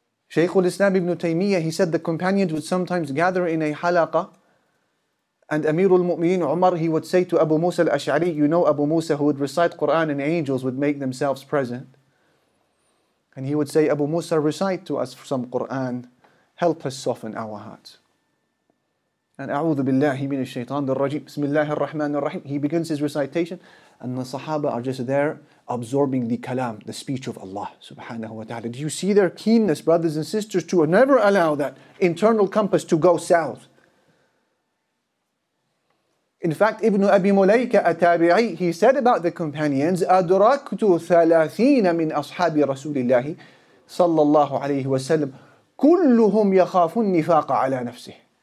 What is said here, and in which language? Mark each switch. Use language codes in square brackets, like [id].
[en] Shaykhul Islam ibn Taymiyyah, he said the companions would sometimes gather in a halaqa, and Amirul Mu'mineen Umar, he would say to Abu Musa al-Ash'ari, you know Abu Musa who would recite Quran and angels would make themselves present. And he would say, Abu Musa, recite to us some Quran. Help us soften our hearts. [ar] And أعوذ بالله من الشيطان الرجيم بسم الله الرحمن الرحيم. [en] He begins his recitation and the Sahaba are just there absorbing the kalam, the speech of Allah subhanahu wa ta'ala. Do you see their keenness, brothers and sisters, to never allow that internal compass to go south? In fact, Ibn Abi Mulayka at-Tabi'i, he said about the companions, [ar] أَدْرَكْتُ ثَلَاثِينَ مِنْ أَصْحَابِ رَسُولِ اللَّهِ صَلَّى اللَّهُ عَلَيْهِ وَسَلَّمْ كُلُّهُمْ يَخَافُ النِّفَاقَ عَلَى نَفْسِهِ.